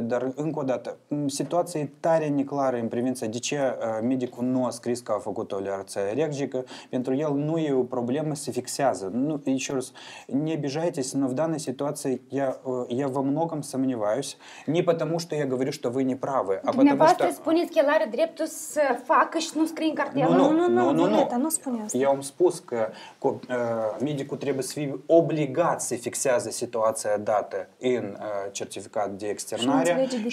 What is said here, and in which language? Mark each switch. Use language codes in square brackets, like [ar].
[ro] dar încă o dată, situația e tare neclară în privința de ce medicul nu a scris că a făcut o reacție alergică, pentru el nu e o problemă, se fixează. Nu, [ru] не обижайтесь, но в данной ситуации я во многом сомневаюсь, не потому что я говорю, что вы не правы, а потому что... [ro] Dumneavoastră spuneți că el are dreptul să facă și nu scrie în cartelă? Nu, spune asta. Eu am spus că medicul trebuie să fie obligat să fixează situația dată în certificat de externare